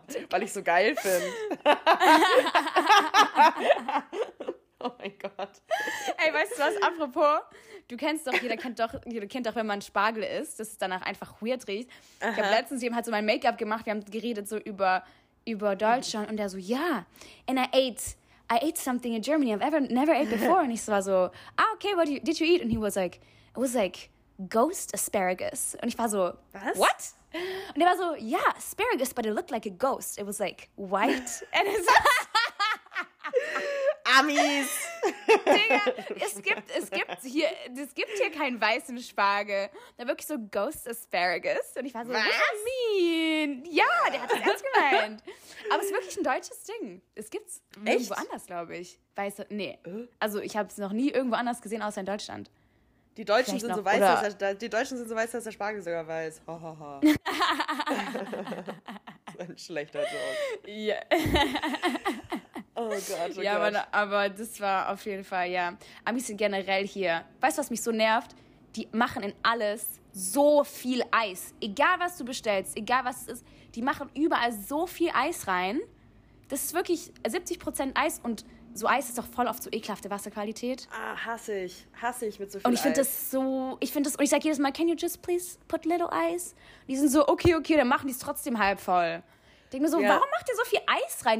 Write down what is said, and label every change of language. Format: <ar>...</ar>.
<de>Weil ich so geil finde. Oh mein Gott. Ey, weißt du was? Apropos, jeder kennt doch, wenn man Spargel isst, dass es danach einfach weird riecht. Ich habe letztens jemand halt so mein Make-up gemacht. Wir haben geredet so über Deutschland. Und der so, ja,</de> <en>and I ate something in Germany I've ever never ate before.</en> <de>Und ich war so, ah,</de> <en>okay, what did you eat? And he was like, Ghost Asparagus.</en> <de>Und ich war so, was?</de> <en>What?</en> <de>Und er war so,</de> <en>yeah, Asparagus, but it looked like a ghost. It was like white. And it's</en> <de>Amis. Digga, es gibt hier keinen weißen Spargel. Da wirklich so Ghost Asparagus. Und ich war so, was? Mean? Ja, der hat das ernst gemeint. Aber es ist wirklich ein deutsches Ding. Es gibt's irgendwo anders, glaube ich. Weiße, nee. Also ich habe es noch nie irgendwo anders gesehen, außer in Deutschland. Die Deutschen, sind so weiß, dass der, die Deutschen sind so weiß, dass der Spargel sogar weiß. Ho, ho, ho. Ein schlechter Joke. Ja. Oh Gott, oh ja, Gott. Ja, aber das war auf jeden Fall, ja. Amis sind generell hier. Weißt du, was mich so nervt? Die machen in alles so viel Eis. Egal, was du bestellst, egal, was es ist. Die machen überall so viel Eis rein. Das ist wirklich 70% Eis und so Eis ist doch voll oft so ekelhafte Wasserqualität. Ah, hasse ich mit so viel Eis. Und ich finde das so, und ich sage jedes Mal,</de> <en>can you just please put little ice?</en> <de>Und die sind so, okay, dann machen die es trotzdem halb voll. Ich denke mir so, warum macht ihr so viel Eis rein?</de>